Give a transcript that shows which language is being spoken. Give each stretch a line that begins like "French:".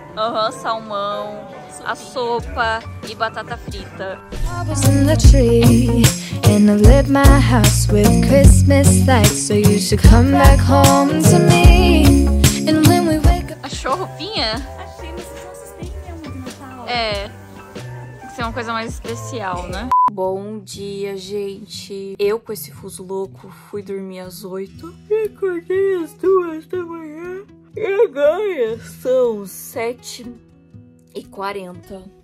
Portuguese: Uhum, salmão, a sopa e batata frita.
English: I was in the tree and I lit my house with Christmas lights. So you should come back home to me. And when we wake up.
Portuguese: Achou a roupinha? Achei, mas vocês não sustentam muito. É. Tem que ser uma coisa mais especial, né? Bom dia, gente. Eu, com esse fuso louco, fui dormir às 8. E acordei às 2 da manhã. E agora são 7h40.